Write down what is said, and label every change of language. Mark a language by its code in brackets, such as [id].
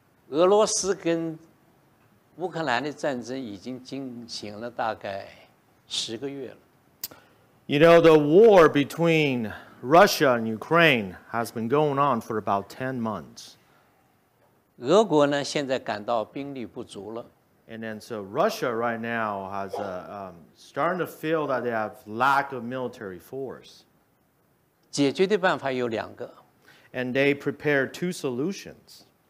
[zh] 俄罗斯跟乌克兰的战争已经进行了大概十个月了。 [en] You know, the war between Russia and Ukraine has been going on for about 10 months. [zh] 俄国呢，现在感到兵力不足了。 [en] And then so Russia right now has starting to feel that they have lack of military force. [zh] 解决的办法有两个。 [en] And they prepare two solutions.